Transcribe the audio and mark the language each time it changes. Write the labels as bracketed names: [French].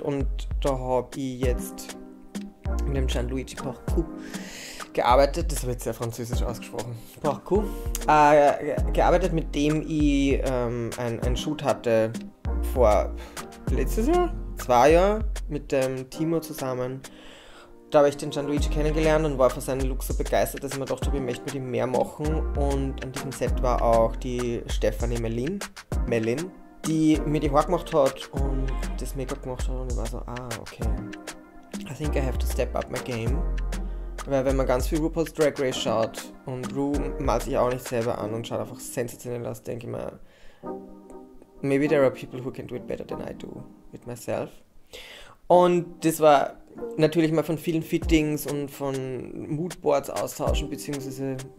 [German] Und da habe ich jetzt mit dem Gianluigi Porcu gearbeitet, das habe ich jetzt sehr französisch ausgesprochen, Porcu, gearbeitet, mit dem ich ein Shoot hatte vor letztes Jahr, 2 Jahre, mit dem Timo zusammen. Da habe ich den Gianluigi kennengelernt und war von seinem Look so begeistert, dass ich mir gedacht habe, ich möchte mit ihm mehr machen. Und an diesem Set war auch die Stefanie Melin, die mir die Haare gemacht hat und das Make-up gemacht hat. Und ich war so, [English] ah, okay, I think I have to step up my game. [German] Weil wenn man ganz viel RuPaul's Drag Race schaut und Ru malt sich auch nicht selber an und schaut einfach sensationell aus, denke ich mir, [English] maybe there are people who can do it better than I do with myself. [German] Und das war natürlich mal von vielen Fittings und von Moodboards austauschen bzw.